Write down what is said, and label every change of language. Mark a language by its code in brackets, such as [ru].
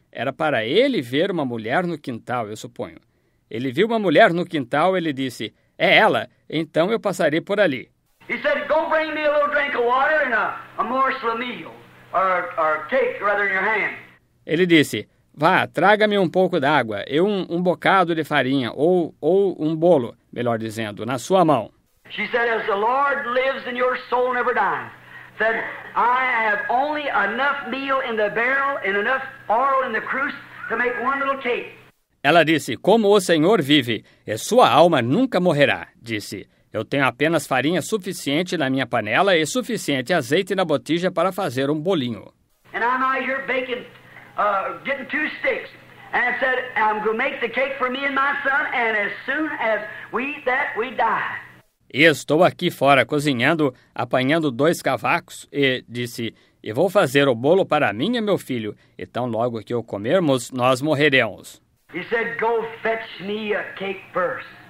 [pt] Era para ele ver uma mulher no quintal, eu suponho. Ele viu uma mulher no quintal, ele disse, é ela, então eu passarei por ali. [en] He said, go bring me a little drink of water and a morsel of meal, or cake rather in your hand. [pt] Ele disse, vá, traga-me um pouco d'água e um bocado de farinha ou um bolo. Melhor dizendo, na sua mão. [en] She said, as the Lord lives and your soul never dies. Said, I have only enough meal in the barrel and enough oil in the cruse to make one little cake. [pt] Ela disse, como o Senhor vive e sua alma nunca morrerá. Disse, eu tenho apenas farinha suficiente na minha panela e suficiente azeite na botija para fazer um bolinho. [en] And I'm out here baking, getting two sticks. And said, I'm going to make the cake for me and my son, and as soon as we eat that, we die. [pt] E estou aqui fora cozinhando, apanhando dois cavacos, e disse, e vou fazer o bolo para mim e meu filho, e tão logo que o comermos, nós morreremos. [en] He said, go fetch me a cake first.